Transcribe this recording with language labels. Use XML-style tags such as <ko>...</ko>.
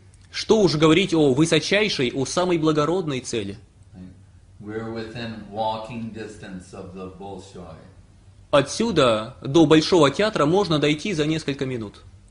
<ru>Что уж говорить о высочайшей, о самой благородной цели?</ru> <en>We're within walking distance of the Bolshoi.</en> <ru>Отсюда до Большого театра можно дойти за несколько минут.</ru>